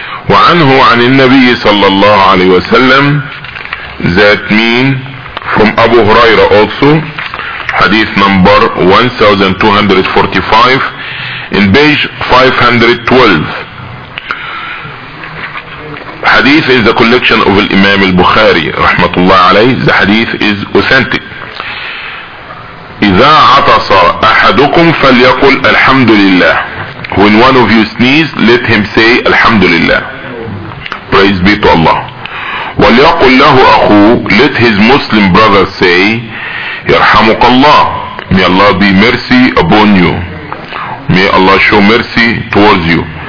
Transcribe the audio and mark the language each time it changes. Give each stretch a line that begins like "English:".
Arabic: وعنه عن النبي صلى الله عليه وسلم,
English: that mean from Abu Huraira also, hadith number 1245 in page 512. Hadith is the collection of Imam al-Bukhari rahmatullah alayh. The hadith is authentic.
Arabic: إذا عطس أحدكم فليقل الحمد لله.
English: When one of you sneezes, let him say
Arabic: الحمد لله,
English: praise be to Allah.
Arabic: وَلْيَقُلْ لَهُ أَخُوهُ,
English: let his Muslim brother say
Arabic: يَرْحَمُكَ اللَّهُ,
English: may Allah be mercy upon you, may Allah show mercy towards you.